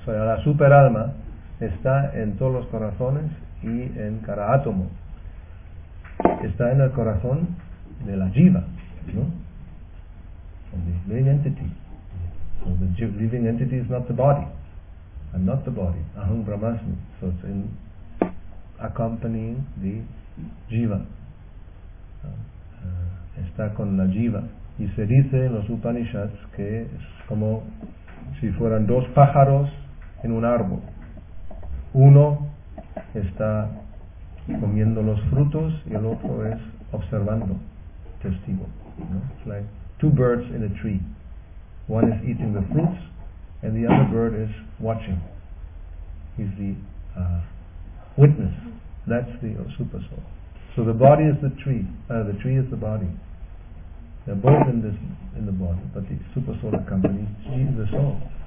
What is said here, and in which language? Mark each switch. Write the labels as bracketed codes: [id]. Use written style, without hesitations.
[es] So la super alma está en todos los corazones y en cada átomo. Está en el corazón de la jiva, ¿no? [en] And the living entity. So the living entity is not the body. I'm not the body. [sa] Aham Brahmasmi. [en] So it's in accompanying the jiva. [es] Está con la jiva. Y se dice en los Upanishads que es como si fueran dos pájaros en un árbol. Uno está comiendo los frutos y el otro es observando, testigo. [en] You know? It's like two birds in a tree. One is eating the fruits and the other bird is watching. He's the witness. That's the super soul. So the body is the tree. The tree is the body. They're both in the body, but the super soul accompanies the soul.